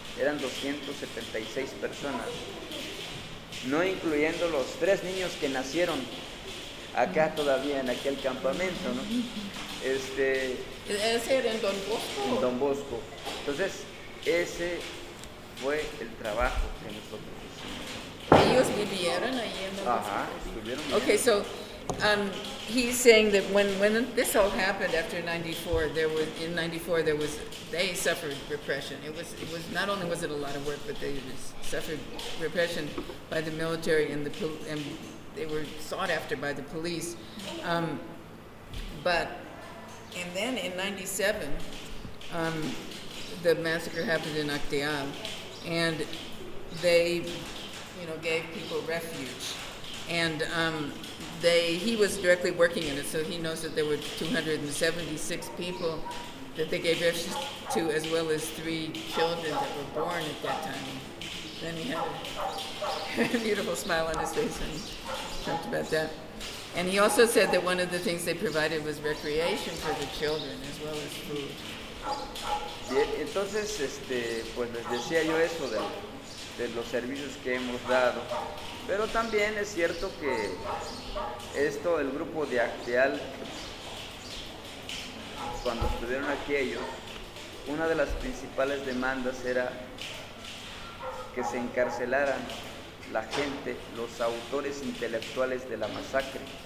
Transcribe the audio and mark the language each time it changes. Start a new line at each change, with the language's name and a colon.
Spanish: Eran 276 personas. No incluyendo los tres niños que nacieron acá todavía en aquel campamento, ¿no? ¿Ese era en Don Bosco? En Don Bosco. Entonces, ese fue el trabajo que nosotros hicimos. ¿Ellos vivieron ahí en Don Bosco? Ajá, estuvieron bien.
English: Okay, so, he's saying that when this all happened after 94, they suffered repression. It was not only was it a lot of work, but they suffered repression by the military and they were sought after by the police. And then in 97, the massacre happened in Acteal, and they, you know, gave people refuge. And he was directly working in it, so he knows that there were 276 people that they gave refuge to, as well as three children that were born at that time. Then he had a beautiful smile on his face and talked about that. And he also said that one of the things they provided was recreation for the children, as well as food.
Spanish: Bien, entonces, pues les decía yo eso de los servicios que hemos dado. Pero también es cierto que esto, el grupo de Acteal, cuando estuvieron aquí ellos, una de las principales demandas era que se encarcelaran la gente, los autores intelectuales de la masacre.